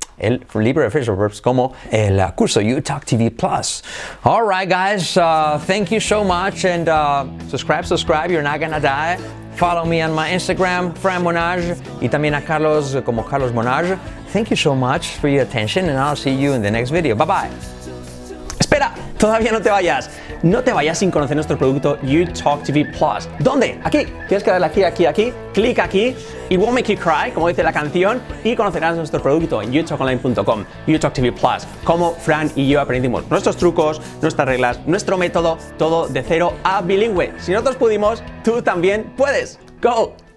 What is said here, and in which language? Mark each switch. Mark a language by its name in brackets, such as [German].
[Spanish] el LibreOffice Reverbs como el curso UTalk TV Plus. [English] All right, guys. Thank you so much. And subscribe. You're not gonna die. Follow me on my Instagram, Fran Monage, [Spanish] y también a Carlos como [English] Carlos Monage. Thank you so much for your attention, and I'll see you in the next video. Bye-bye. [Spanish] Espera, todavía no te vayas. No te vayas sin conocer nuestro producto UTalk TV Plus. ¿Dónde? Aquí. Tienes que darle aquí. Clic aquí. [English] It won't make you cry, [Spanish] como dice la canción, y conocerás nuestro producto en utalkonline.com, UTalk TV Plus. Como Fran y yo aprendimos nuestros trucos, nuestras reglas, nuestro método, todo de cero a bilingüe. Si nosotros pudimos, tú también puedes. ¡Go!